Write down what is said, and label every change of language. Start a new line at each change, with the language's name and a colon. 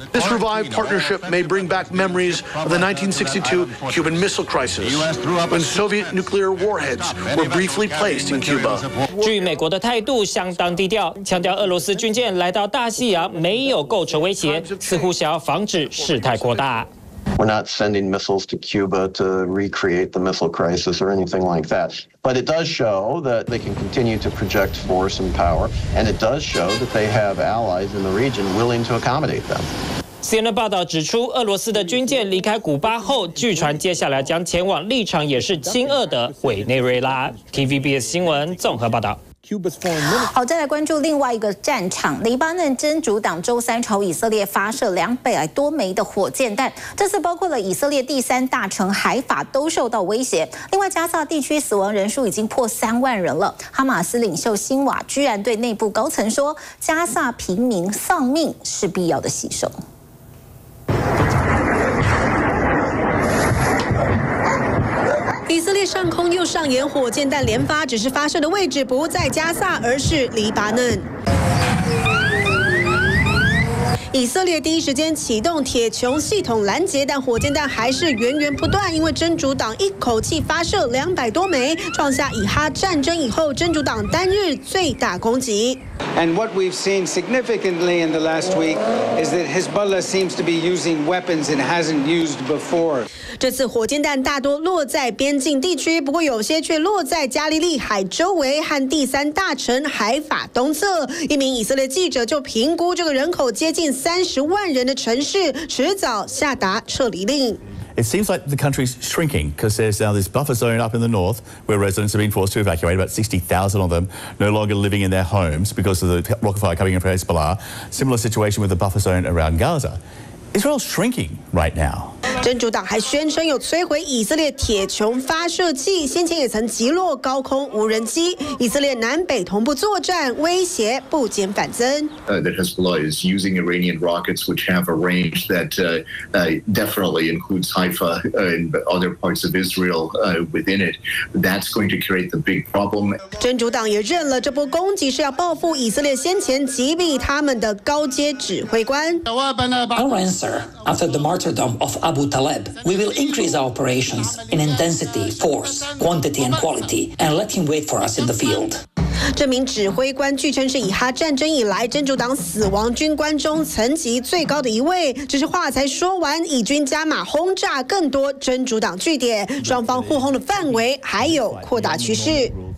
English: This revived partnership may bring back memories of the 1962 Cuban Missile Crisis, when Soviet nuclear warheads were briefly placed in Cuba.
Chinese: 据美国的态度相当低调，强调俄罗斯军舰来到大西洋没有构成威胁，似乎想要防止事态扩大。
English: We're not sending missiles to Cuba to recreate the missile crisis or anything like that. But it does show that they can continue to project force and power, and it does show that they have allies in the region willing to accommodate them.
Chinese: CNN 报道指出，俄罗斯的军舰离开古巴后，据传接下来将前往立场也是亲俄的委内瑞拉。 TVBS 新闻综合报道。好，再来关注另外一个战场，黎巴嫩真主党周三朝以色列发射200多枚的火箭弹，这次包括了以色列第三大城海法都受到威胁。另外，加萨地区死亡人数已经破30,000人了。哈马斯领袖辛瓦居然对内部高层说，加萨平民丧命是必要的牺牲。以色列上空又上演火箭弹连发，只是发射的位置不在加萨，而是黎巴嫩。以色列第一时间启动铁穹系统拦截，但火箭弹还是源源不断，因为真主党一口气发射200多枚，创下以哈战争以后真主党单日最大攻击。
English: And what we've seen significantly in the last week is that Hezbollah seems to be using weapons it hasn't used before.
Chinese: 这次火箭弹大多落在边境地区，不过有些却落在加利利海周围和第三大城海法东侧。一名以色列记者就评估，这个人口接近30万人的城市迟早下达撤离令。
English: It seems like the country's shrinking because there's now this buffer zone up in the north where residents have been forced to evacuate. About 60,000 of them no longer living in their homes because of the rocket fire coming in from Hezbollah. Similar situation with the buffer zone around Gaza. Israel's shrinking right now.
Chinese: 真主党还宣称有摧毁以色列铁穹发射器，先前也曾击落高空无人机。以色列南北同步作战，威胁不减反增。
English: That Hezbollah is using Iranian rockets, which have a range that definitely includes Haifa and other parts of Israel within it. That's going to create the big problem.
Chinese: 真主党也认了这波攻击是要报复以色列先前击毙他们的高阶指挥官。
English: Our answer after the martyrdom of Abu Taleb, we will increase our operations in intensity, force, quantity, and quality, and let him wait for us in the field.
Chinese: 这名指挥官据称是以哈战争以来真主党死亡军官中层级最高的一位。只是话才说完，以军加码轰炸更多真主党据点，双方互轰的范围还有扩大趋势。